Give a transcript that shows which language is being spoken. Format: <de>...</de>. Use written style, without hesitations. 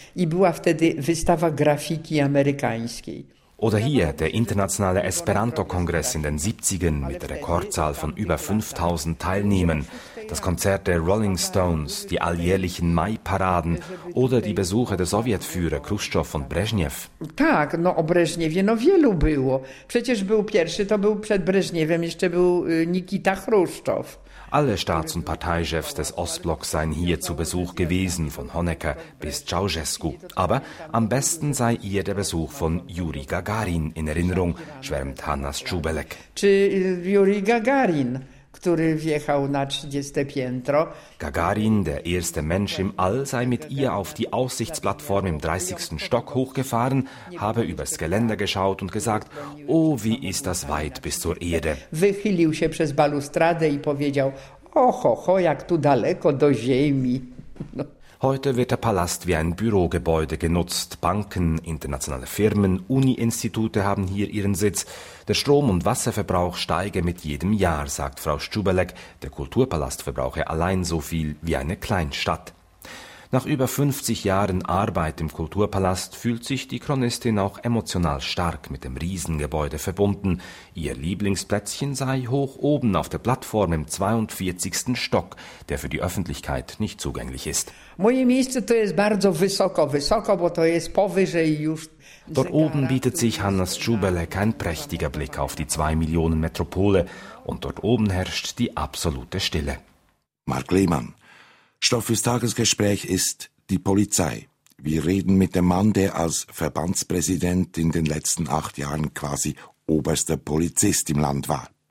<de>Ich war auf der Wystawa Grafiki Amerikańskiej. Oder hier der internationale Esperanto-Kongress in den 70ern mit der Rekordzahl von über 5000 Teilnehmern, das Konzert der Rolling Stones, die alljährlichen Mai-Paraden oder die Besuche der Sowjetführer Chruschtschow und Brezhnev.</de> <pl>Tak, no o Breżniewie no wielu było. Przecież był pierwszy, to był przed Breżniewem jeszcze był Nikita Chruschtschow.</pl> <de>Alle Staats- und Parteichefs des Ostblocks seien hier zu Besuch gewesen, von Honecker bis Ceausescu. Aber am besten sei ihr der Besuch von Juri Gagarin in Erinnerung, schwärmt Hanna Szczubelek.</de> <pl>Czy Juri Gagarin, który wjechał na 30. piętro?</pl> <de>Gagarin, der erste Mensch im All, sei mit ihr auf die Aussichtsplattform im 30. Stock hochgefahren, habe übers Geländer geschaut und gesagt, oh, wie ist das weit bis zur Erde.</de> <pl>Wychylił się przez balustradę i powiedział, ohoho, jak tu daleko do ziemi.</pl> <de>Heute wird der Palast wie ein Bürogebäude genutzt. Banken, internationale Firmen, Uni-Institute haben hier ihren Sitz. Der Strom- und Wasserverbrauch steige mit jedem Jahr, sagt Frau Szczubelek. Der Kulturpalast verbrauche allein so viel wie eine Kleinstadt. Nach über 50 Jahren Arbeit im Kulturpalast fühlt sich die Chronistin auch emotional stark mit dem Riesengebäude verbunden. Ihr Lieblingsplätzchen sei hoch oben auf der Plattform im 42. Stock, der für die Öffentlichkeit nicht zugänglich ist.</de> <pl>Moje miejsce to jest bardzo wysoko, wysoko, bo to jest powyżej już.</pl> <de>Dort oben bietet sich Hanna Szczubelek ein prächtiger Blick auf die 2 Millionen Metropole und dort oben herrscht die absolute Stille. Mark Lehmann. Stoff fürs Tagesgespräch ist die Polizei. Wir reden mit dem Mann, der als Verbandspräsident in den letzten 8 Jahren quasi oberster Polizist im Land war.</de>